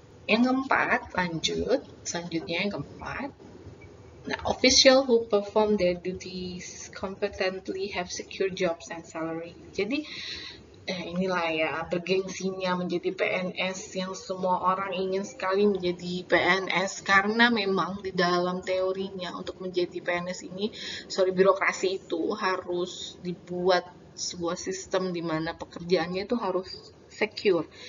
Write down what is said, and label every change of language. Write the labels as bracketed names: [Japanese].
[Indonesian] Yang keempat, lanjut. Selanjutnya yang keempat. [English] Nah, official who perform their duties competently have secure jobs and salary. [Indonesian] Jadi, inilah ya, bergengsinya menjadi PNS yang semua orang ingin sekali menjadi PNS. Karena memang di dalam teorinya untuk menjadi PNS ini, sorry, birokrasi itu harus dibuat sebuah sistem di mana pekerjaannya itu harus secure.